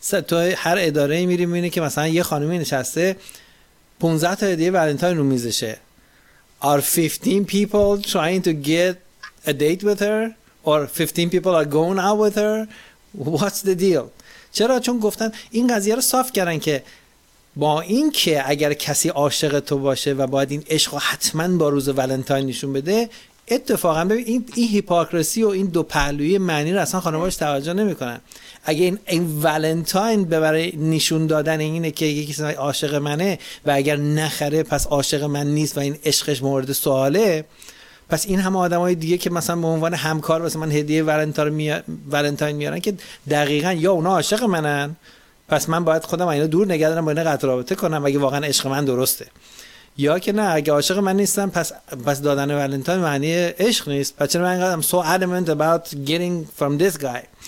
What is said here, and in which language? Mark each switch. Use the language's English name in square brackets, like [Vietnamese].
[Persian] تو هر اداره ای میری میبینی که مثلا یه خانمی نشسته 15 تا هدیه ولنتاین رو میزشه. [English] Are 15 people trying to get a date with her or 15 people are going out with her? What's the deal? [Persian] چرا؟ چون گفتن این قضیه رو صاف کردن که با این که اگر کسی عاشق تو باشه و باید این عشق رو حتما با روز ولنتاین نشون بده، اتفاقا ببین این هیپوکرسی و این دو پهلوی معنی رو اصلا خانواده‌اش توجه نمی‌کنن. اگه این ولنتاین به برای نشون دادن اینه که یکی عاشق منه و اگر نخره پس عاشق من نیست و این عشقش مورد سواله، پس این همه آدم های دیگه که مثلا به عنوان همکار واسه من هدیه ولنتاین میارن که دقیقا یا اونا عاشق منن، پس من باید خودم اینا دور نگه دارم با اینا قطع رابطه کنم اگه واقعا عشق من درسته، یا که نه اگه عاشق من نیستن پس دادن ولنتاین معنی عشق نیست، پس چرا من قدم [English] so adamant about getting from this guy.